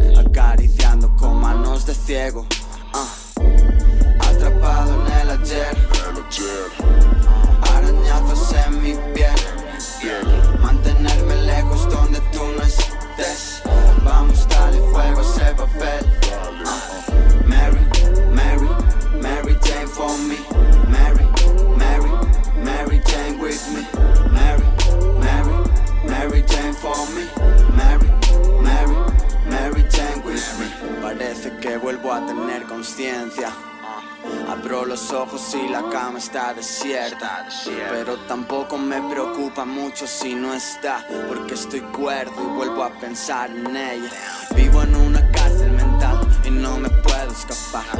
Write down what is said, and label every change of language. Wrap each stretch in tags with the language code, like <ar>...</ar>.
<es>Acariciando con manos de ciego. Atrapado en el ayer, arañazos en mi piel. Mantenerme lejos donde tú no estés. Vamos, dale fuego a ese papel.</es> <en>Mary, Mary, Mary Jane for me. Mary, Mary, Mary Jane with me. Mary, Mary, Mary Jane for me. Mary, Mary, Mary Jane with me.</en> <es>Parece que vuelvo a tener conciencia. Abro los ojos y la cama está desierta. Pero tampoco me preocupa mucho si no está, porque estoy cuerdo y vuelvo a pensar en ella. Vivo en una cárcel mental y no me puedo escapar.</es>